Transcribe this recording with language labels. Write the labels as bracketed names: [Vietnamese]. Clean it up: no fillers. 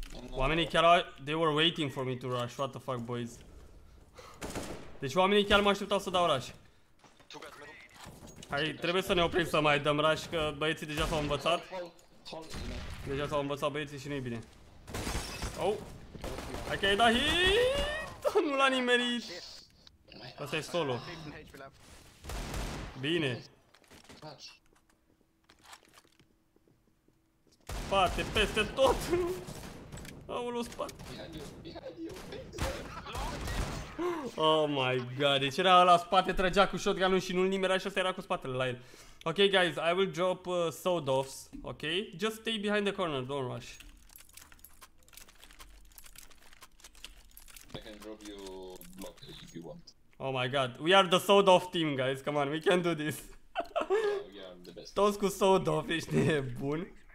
[Romanian] Oamenii chiar [English] they were waiting for me to rush. What the fuck, boys? [Romanian] Deci oamenii chiar mă așteptau să dau rush. Hai, trebuie să ne oprim să mai dăm rush, că băieții deja s-au învățat. Deja s-au învățat băieții și nu-i bine. Oh! Hai că ai dat hit! Nu l-a nimerit! Asta e solo. Bine. Spate, peste tot! Aolo, spate! [English] Oh my god, [Romanian] deci era ăla spate, trăgea cu shotgun-ul și nu-l nimerea și ăsta era cu spatele la el. [English] Ok, guys, I will drop sawed-offs, ok? Just stay behind the corner, don't rush. I can drop you block if you want. Oh my god, we are the sawed-off team, guys, come on, we can do this. We are the best. [Romanian] Toți cu sawed-off, ești nebun.